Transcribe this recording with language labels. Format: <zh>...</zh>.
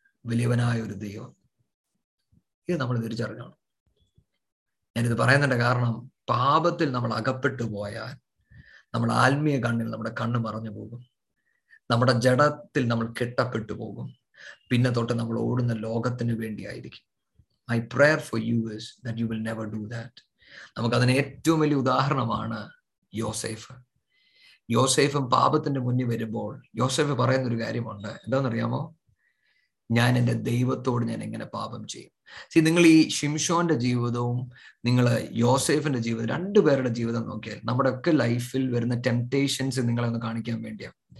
<ml>വലിയവനായ ഒരു ദൈവം. ഇത് നമ്മൾ തിരിച്ചറിഞ്ഞോ? ഞാനിത് പറയുന്നുണ്ട് കാരണം പാപത്തിൽ നമ്മൾ അകപ്പെട്ടു പോയാൽ നമ്മൾ ആത്മീയ കണ്ണിൽ നമ്മുടെ കണ്ണ് മറഞ്ഞു പോകും, നമ്മുടെ ജഡത്തിൽ നമ്മൾ കെട്ടപ്പെട്ടു പോകും, പിന്നെ തൊട്ട് നമ്മൾ ഓടുന്ന ലോകത്തിന് വേണ്ടിയായിരിക്കും.</ml> <en>My prayer for you is that you will never do that.</en> <ml>നമുക്ക് അതിന് ഏറ്റവും വലിയ ഉദാഹരണമാണ് യോസേഫ്. യോസേഫ് പാപത്തിന്റെ മുന്നിൽ വരുമ്പോൾ യോസേഫ് പറയുന്ന ഒരു കാര്യമുണ്ട്, എന്താണെന്നറിയാമോ? ഞാൻ എൻ്റെ ദൈവത്തോട് ഞാൻ എങ്ങനെ പാപം ചെയ്യും? നിങ്ങൾ ഈ ഷിംഷോന്റെ ജീവിതവും നിങ്ങൾ യോസേഫിന്റെ ജീവിതവും, രണ്ടുപേരുടെ ജീവിതം നോക്കിയാൽ, നമ്മുടെയൊക്കെ ലൈഫിൽ വരുന്ന ടെംപ്റ്റേഷൻസ് നിങ്ങളെ ഒന്ന് കാണിക്കാൻ വേണ്ടിയാണ്.</ml>